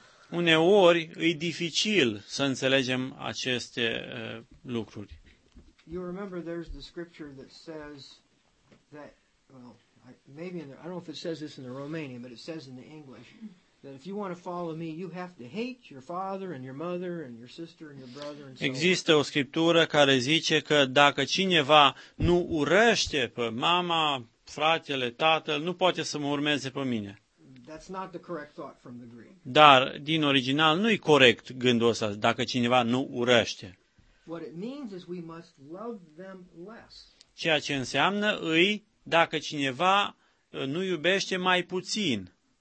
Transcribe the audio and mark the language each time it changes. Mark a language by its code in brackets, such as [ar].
[ro] Uneori e dificil să înțelegem aceste lucruri. [en] You remember there's the scripture that says that, well, maybe in the, I don't know if it says this in the Romanian, but it says in the English. That if you want to follow me, you have to hate your father and your mother and your sister and your brother and so on. [ro] Există o scriptură care zice că dacă cineva nu urăște pe mama, fratele, tatăl, nu poate să mă urmeze pe mine. [en] That's not the correct thought from the Greek. [ro] Dar din original nu e corect gândul ăsta, dacă cineva nu urăște. [en] What it means is we must love them less. [ro] Ceea ce înseamnă îi dacă cineva nu iubește mai puțin.